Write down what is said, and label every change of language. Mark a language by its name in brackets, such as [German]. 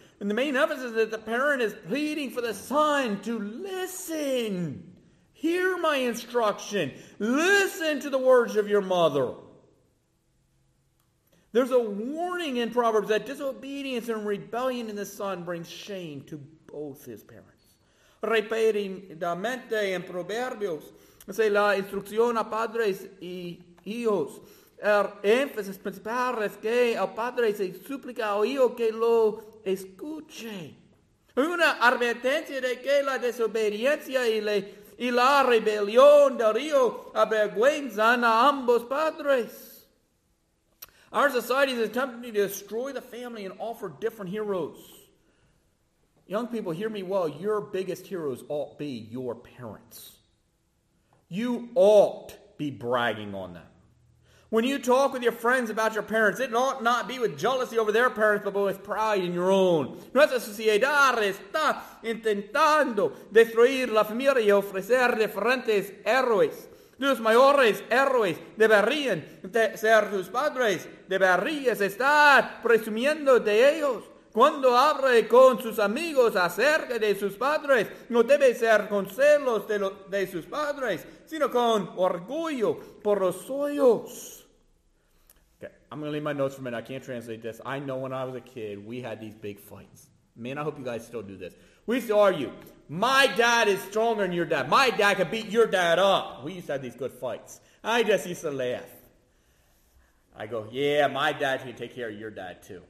[English] And the main emphasis is that the parent is pleading for the son to listen. Hear my instruction. Listen to the words of your mother. There's a warning in Proverbs that disobedience and rebellion in the son brings shame to both his parents. [Spanish] Repetidamente en Proverbios, se la instrucción a padres y hijos. El énfasis principal es que el padre se suplica al hijo que lo escuche. Una advertencia de que la desobediencia y la rebelión del hijo avergüenzan a ambos padres. [English] Our society is attempting to destroy the family and offer different heroes. Young people, hear me well. Your biggest heroes ought be your parents. You ought be bragging on them. When you talk with your friends about your parents, it ought not be with jealousy over their parents, but with pride in your own. [Spanish] Nuestra sociedad está intentando destruir la familia y ofrecer diferentes héroes. Tus mayores héroes deberían ser tus padres. Deberías estar presumiendo de ellos. Cuando hable con sus amigos acerca de sus padres, no debe ser con celos de sus padres, sino con orgullo por los suyos. [English] Okay, I'm going to leave my notes for a minute. I can't translate this. I know when I was a kid, we had these big fights. Man, I hope you guys still do this. We used to argue. My dad is stronger than your dad. My dad can beat your dad up. We used to have these good fights. I just used to laugh. I go, yeah, my dad can take care of your dad too.